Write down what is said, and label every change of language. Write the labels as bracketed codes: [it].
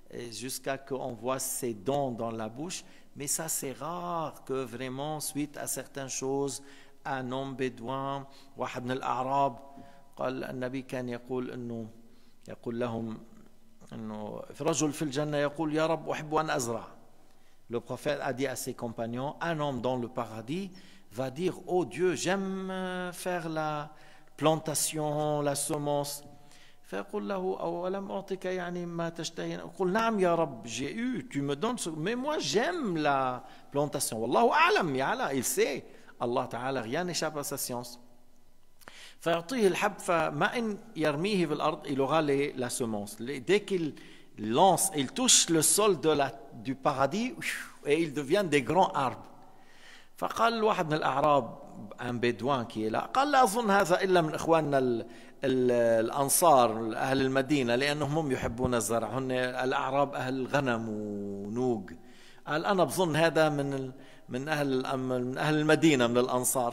[fr] Jusqu'à ce qu'on voit ses dents dans la bouche, mais ça c'est rare que vraiment suite à certaines choses un homme bédouin ou un arabe [ar] قال النبي كان يقول انه يقول لهم انه في رجل في الجنه يقول يا رب احب ان ازرع. [fr] Le prophète a dit à ses compagnons, un homme dans le paradis va dire, oh Dieu, j'aime faire la plantation, la semence. [ar] فقل له ولم اعطيك يعني ما تشتهي. قل نعم يا رب, [fr] j'ai eu, tu me donnes ce... mais moi j'aime la plantation. [ar] والله اعلم, يعلى, [fr] il sait. Allah Ta'ala, rien n'échappe à sa science. [ar] فيعطيه الحب فما ان يرميه في الارض, [fr] il aura la semence. Dès qu'il lance, il touche le sol du paradis et il devient des grands arbres. [ar] فقال واحد من الاعراب, [fr] un bédouin qui est là, [ar] قال لا اظن هذا الا من اخواننا الانصار اهل المدينه لانهم هم يحبون الزرع, هن الاعراب اهل الغنم ونوق. قال انا بظن هذا من اهل المدينه من الانصار.